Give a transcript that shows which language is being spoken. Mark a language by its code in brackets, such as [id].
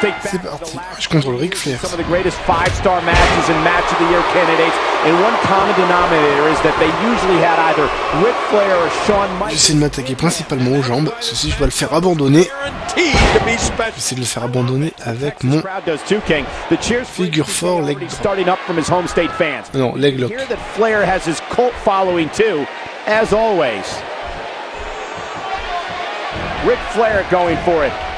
[fr] C'est parti. Je contrôle Ric Flair. [en] Some of the greatest five-star matches and match of the year candidates, and one common denominator is that they usually had either Ric Flair or Shawn Michaels. [fr] J'essaie de m'attaquer principalement aux jambes. Ceci, je dois le faire abandonner. J'essaie de le faire abandonner avec mon figure four leg lock. Non, leg lock. [en] Here that Flair has his cult following too, as always. Ric Flair going for it.